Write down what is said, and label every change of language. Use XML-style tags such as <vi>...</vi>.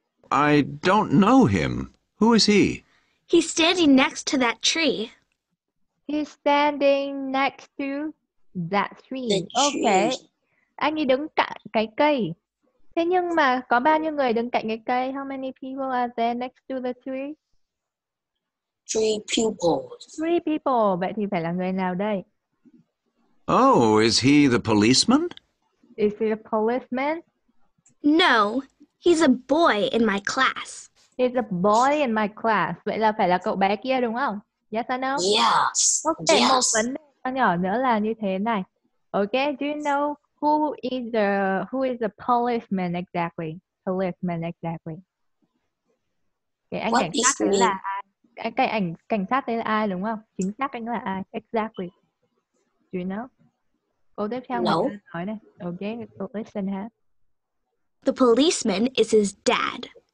<en>I don't know him. Who is he? He's standing next to that tree. He's standing next to that tree. The okay. Tree.</en> <vi>Anh ấy đứng cạnh cái cây. Thế nhưng mà có bao nhiêu người đứng cạnh cái cây?</vi> <en>How many people are there next to the tree? Three people. Three people.</en> <vi>Vậy thì phải là người nào đây?</vi> <en>Oh, is he the policeman? Is he a policeman? No. He's a boy in my class. He's a boy in my class.</en> <vi>Vậy là phải là cậu bé kia đúng không?</vi> <en>Yes or no? Yes. Okay, yes.</en> <vi>Một vấn đề nhỏ nữa là như thế này.</vi> <en>Okay, do you know who is the policeman exactly? Policeman exactly. Okay, anh what</en> <vi>cảnh sát</vi> <en>mean?</en> <vi>Là ai? Cái ảnh cảnh sát đấy là ai đúng không? Chính xác anh là ai?</vi> <en>Exactly. Do you know?</en> <vi>Cô tiếp theo</vi> <en>no.</en> <vi>Nói này.</vi> <en>Okay, listen ha. The policeman is his dad.</en>